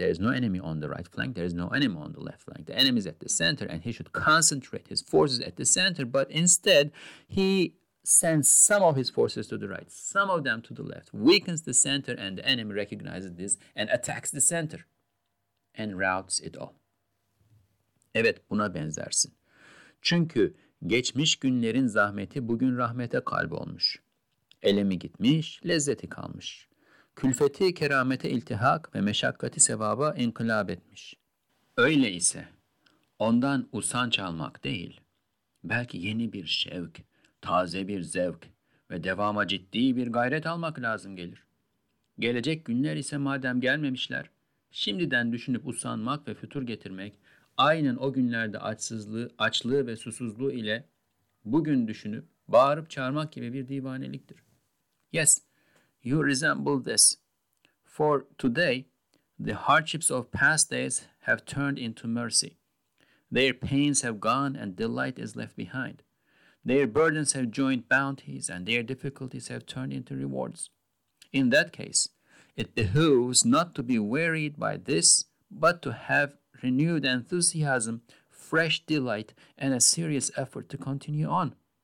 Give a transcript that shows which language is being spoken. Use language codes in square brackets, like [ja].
[en] There is no enemy on the right flank. There is no enemy on the left flank. The enemy is at the center, and he should concentrate his forces at the center. But instead, he sends some of his forces to the right, some of them to the left, weakens the center, and the enemy recognizes this and attacks the center and routs it all. [tr] Evet, buna benzersin. Çünkü geçmiş günlerin zahmeti bugün rahmete kalbolmuş. Elemi gitmiş, lezzeti kalmış. Külfeti keramete iltihak ve meşakkati sevaba inkılap etmiş. Öyle ise ondan usanç almak değil, belki yeni bir şevk, taze bir zevk ve devama ciddi bir gayret almak lazım gelir. Gelecek günler ise madem gelmemişler, şimdiden düşünüp usanmak ve fütur getirmek, aynen o günlerde açlığı ve susuzluğu ile bugün düşünüp bağırıp çağırmak gibi bir divaneliktir. [en] Yes, you resemble this. For today, the hardships of past days have turned into mercy. Their pains have gone and delight is left behind. Their burdens have joined bounties and their difficulties have turned into rewards. In that case, it behooves not to be wearied by this, but to have renewed enthusiasm, fresh delight, and a serious effort to continue on.